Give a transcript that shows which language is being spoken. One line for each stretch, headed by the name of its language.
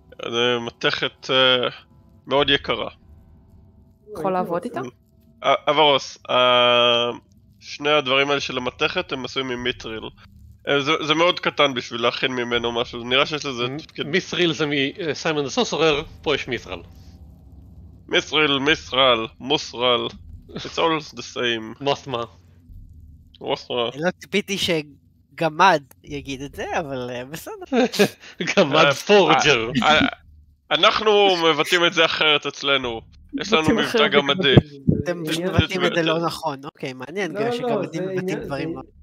Hebrew: זה מתכת מאוד יקרה. יכול לעבוד איתה? אברוס, שני הדברים האלה של המתכת הם עשויים ממיטריל. זה מאוד קטן בשביל להכין ממנו משהו, נראה שיש לזה... מית'רל זה מסיימן דה סוסרר, פה יש מית'רל.
English: מית'רל, מית'רל, מוס'רל, it's all the same. מות'מה. מות'מה.
Hebrew: לא ציפיתי שגמד יגיד את זה, אבל בסדר. גמד פורג'ר. אנחנו מבטאים את זה אחרת אצלנו. יש לנו מבטא גמדי. אתם מבטאים את זה לא נכון, אוקיי, מעניין, גם שגמדים מבטאים דברים...